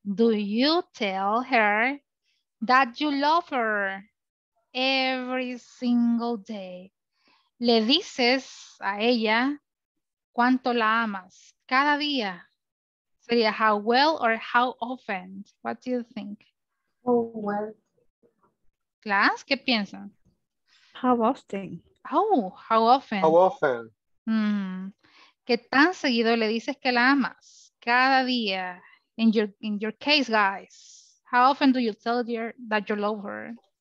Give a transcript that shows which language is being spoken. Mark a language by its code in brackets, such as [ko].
[en] Do you tell her that you love her every single day? [es] ¿Le dices a ella cuánto la amas cada día? [en] Sería how well or how often? What do you think? How well. [es] Class, ¿qué piensan? [en] How often. Oh, how often. How often. Mm. [es] ¿Qué tan seguido le dices que la amas? Cada día. [en] In your case, guys. How often do you tell her that you love her?